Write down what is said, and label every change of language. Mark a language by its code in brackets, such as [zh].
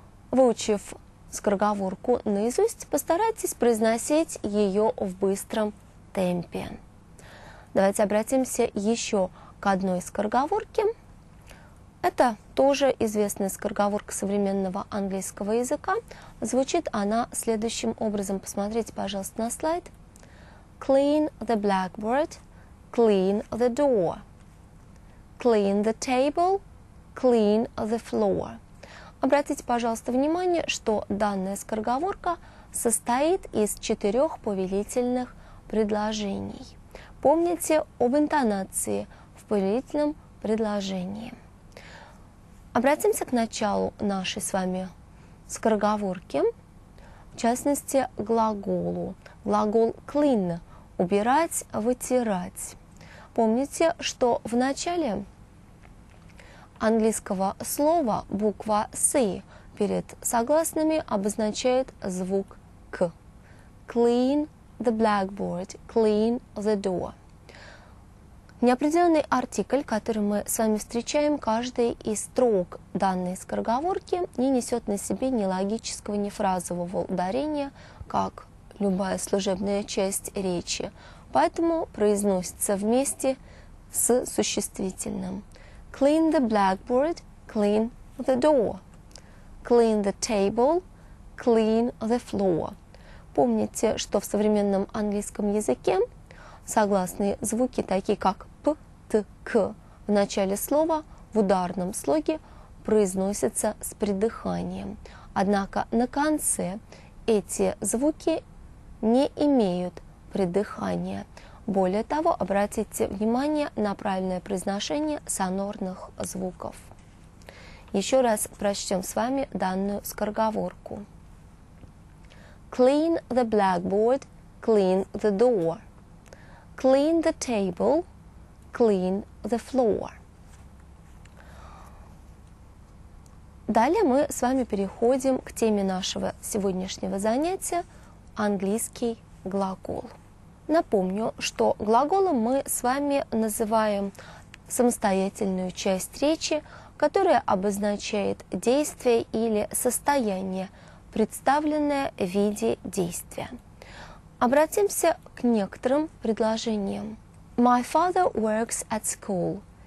[ru] Выучив скороговорку наизусть, постарайтесь произносить ее в быстром темпе. Давайте обратимся еще к одной скороговорке. Это тоже известная скороговорка современного английского языка. Звучит она следующим образом. Посмотрите, пожалуйста, на слайд. [en] Clean the blackboard, clean the door. Clean the table, clean the floor. [ru] Обратите, пожалуйста, внимание, что данная скороговорка состоит из четырех повелительных предложений. Помните об интонации в повелительном предложении. Обратимся к началу нашей с вами скороговорки, в частности, глаголу. Глагол clean – убирать, вытирать. Помните, что в начале английского слова буква «s» перед согласными обозначает звук «к». [en] Clean the blackboard, clean the door. [ru] Неопределенный артикль, который мы с вами встречаем, каждый из строк данной скороговорки не несет на себе ни логического, ни фразового ударения, как любая служебная часть речи, поэтому произносится вместе с существительным. [en] Clean the blackboard, clean the door. Clean the table, clean the floor. [ru] Помните, что в современном английском языке согласные звуки, такие как «п», «т», «к» в начале слова в ударном слоге произносятся с придыханием. Однако на конце эти звуки не имеют придыхания. Более того, обратите внимание на правильное произношение сонорных звуков. Еще раз прочтем с вами данную скороговорку. [en] Clean the blackboard, clean the door. Clean the table, clean the floor. [ru] Далее мы с вами переходим к теме нашего сегодняшнего занятия – английский глагол. Напомню, что глаголом мы с вами называем самостоятельную часть речи, которая обозначает действие или состояние – представленное в виде действия. Обратимся к некоторым предложениям. [en] My father works at school.